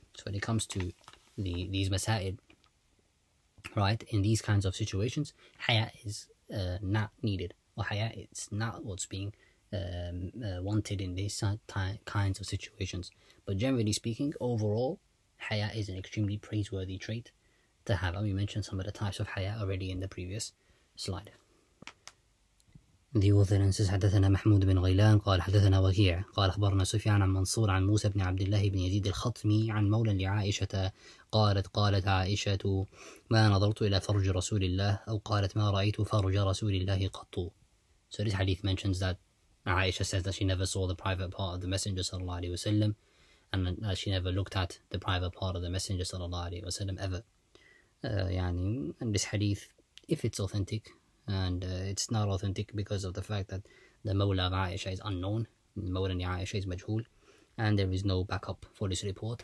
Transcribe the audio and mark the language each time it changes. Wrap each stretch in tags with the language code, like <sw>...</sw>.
<en>So when it comes to these masa'id, right, in these kinds of situations, haya is not needed, or haya, it's not what's being wanted in these kinds of situations. But generally speaking, overall, haya is an extremely praiseworthy trait to have. And we mentioned some of the types of haya already in the previous slide. The author then says,</en> <ar>حدثنا محمود بن غيلان قال حدثنا وكيع قال أخبرنا سفيان عن منصور عن موسى بن عبد الله بن يزيد الخطمي عن مولى لعائشة قالت قالت عائشة ما نظرت إلى فرج رسول الله أو قالت ما رأيت فرج رسول الله قط.</ar> <en>So this hadith mentions that Aisha says that she never saw the private part of the Messenger sallallahu alayhi wa sallam, and that she never looked at the private part of the Messenger sallallahu alayhi wa sallam ever. And this hadith, if it's authentic, and it's not authentic because of the fact that the Mawla of Aisha is unknown, the Mawla of Aisha is majhul, and there is no backup for this report.</en>